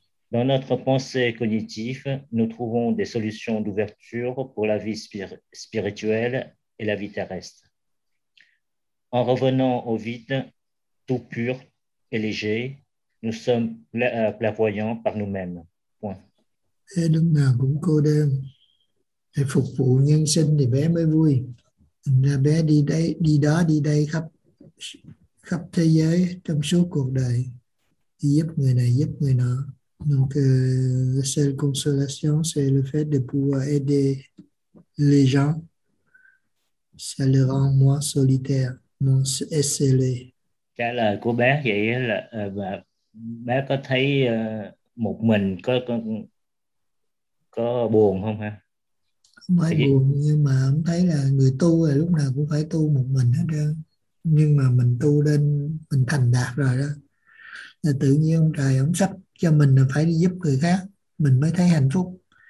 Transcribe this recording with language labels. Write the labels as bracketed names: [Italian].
[French] Dans notre pensée cognitive, nous trouvons des solutions d'ouverture pour la vie spirituelle et la vie terrestre. En revenant au vide, tout pur et léger, nous sommes clairvoyants par nous-mêmes. Point. [Vietnamese] Bé lúc nào cũng cô đơn. Để phục vụ nhân sinh thì bé mới vui. Bé đi đây, đi đó, đi đây khắp thế giới trong suốt cuộc đời. Đi giúp người này, giúp người nọ. [French] Donc, la seule consolation, c'est le fait de pouvoir aider les gens. Ça le rend moins solitaire, moins esselé. [Vietnamese] Trả lời của bé vậy là bé có thấy một mình có buồn không ha? Không phải buồn, nhưng mà ông thấy là người tu là lúc nào cũng phải tu một mình hết đó. Nhưng mà mình tu đến mình thành đạt rồi đó, là tự nhiên ông trời ông sắp cho mình là phải đi giúp người khác mình mới thấy hạnh phúc.